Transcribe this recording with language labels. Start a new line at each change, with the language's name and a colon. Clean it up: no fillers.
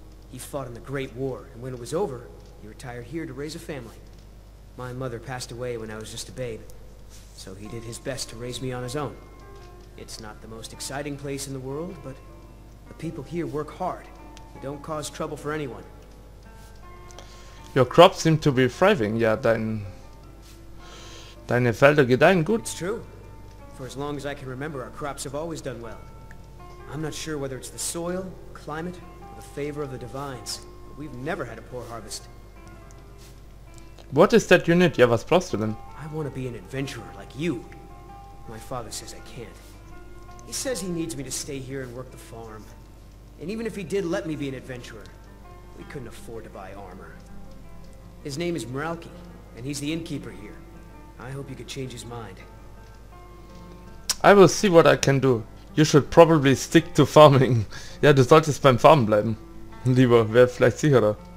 English: He fought in the Great War, and when it was over, he retired here to raise a family. My mother passed away when I was just a babe, so he did his best to raise me on his own. It's not the most exciting place in the world, but the people here work hard. They don't cause trouble for anyone. Your crops seem to be thriving.
German: Ja, deine Felder gedeihen gut.
English: It's true. For as long as I can remember, our crops have always done well. I'm not sure whether it's the soil, climate, or the favor of the divines, but we've never had a poor harvest. What is that unit?
German: Ja, was brauchst du denn?
English: I want to be an adventurer like you. My father says I can't. He says he needs me to stay here and work the farm. And even if he did let me be an adventurer, we couldn't afford to buy armor. His name is Mralki, and he's the innkeeper here. I hope you could change his mind. I will see what I can do. You should probably stick to farming.
German: Ja, du solltest beim Farmen bleiben. Lieber, wäre vielleicht sicherer.